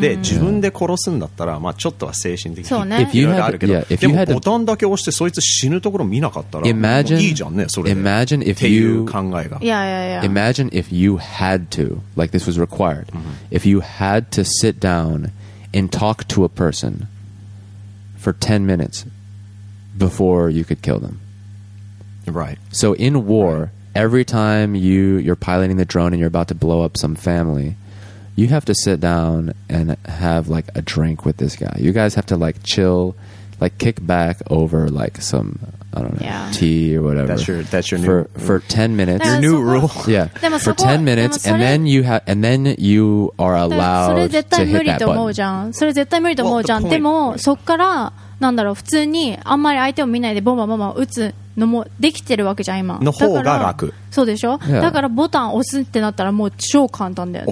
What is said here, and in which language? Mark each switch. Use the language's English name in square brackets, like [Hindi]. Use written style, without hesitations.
[Japanese] で自分で殺すんだったら、まあちょっとは精神的に、そうね。 [English] If you had, yeah, if you had [Japanese] ボタンだけ押してそいつ死ぬところ見なかったら、 [English] imagine, [Japanese] いいじゃんねそれ。 [English] Imagine if you, [Japanese] っていう考えが。 [English] Yeah, yeah, yeah. Imagine if you had to, like this was required,、 mm-hmm. if you had to sit down and talk to a person for 10 minutes. Before you could kill them. Right. So in war, right. every time you're piloting the drone and you're about to blow up some family, you have to sit down and have like a drink with this guy. You guys have to like chill, like kick back over like some, I don't know, yeah. tea or whatever. That's your for, new... For 10 minutes. Your new rule. Yeah. For 10 minutes and then you have, and then you are allowed to hit that button. That's definitely not possible. [Japanese] なんだろう普通にあんまり相手を見ないでボンバンボンバン打つのもできてるわけじゃん今の方が楽そうでしょ、 [English] yeah. [Japanese] だからボタン押すってなったらもう超簡単だよね